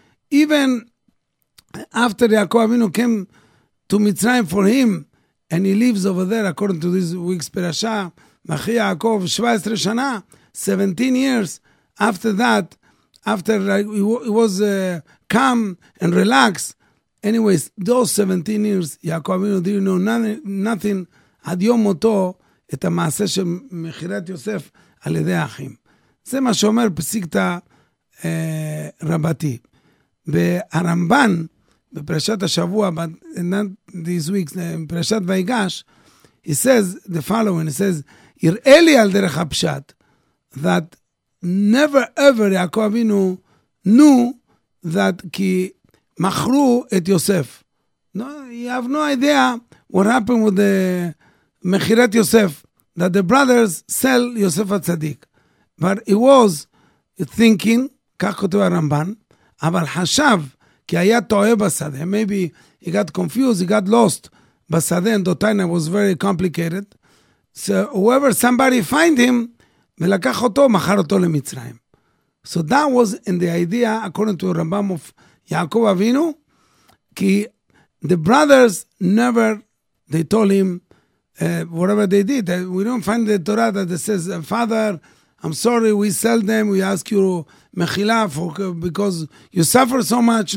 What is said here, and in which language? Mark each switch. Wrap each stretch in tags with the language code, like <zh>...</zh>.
<en>Even after Yaakov Avinu came to Mitzrayim for him, and he lives over there, according to this week's Perasha, Machi Yaakov, 17 Shana, 17 years after that, after he was calm and relaxed. Anyways, those 17 years, Yaakov Avinu didn't know nothing.</en> <he>Ad yom moto, את המעשה של מכירת יוסף על ידי האחים. זה מה שאומר פסיקתא רבתי. והרמב"ן, בפרשת השבוע,</he> <en>but not this week,</en> <he>פרשת ויגש,</he> <en>he says the following, he says,</en> <he>יראה לי על דרך הפשט,</he> <en>that never ever</en> <he>יעקב אבינו</he> <en>knew that</en> <he>כי מכרו את יוסף.</he> <en>No, you have no idea what happened with the</en> <he>מכירת יוסף,</he> <en>that the brothers sell Yosef HaTzadik. But he was thinking,</en> <he>כך כותב הרמב"ן, אבל חשב כי היה טועה בשדה.</he> <en>Maybe he got confused, he got lost בשדה, and the time was very complicated. So whoever, somebody find him,</en> <he>ולקח אותו, מחר אותו למצרים.</he> <en>So that was in the idea, according to Rambam of Yaakov Avinu, כי the brothers never, they told him, whatever they did. We don't find the Torah that says, Father, I'm sorry, we sell them, we ask you mechila because you suffer so much.</en>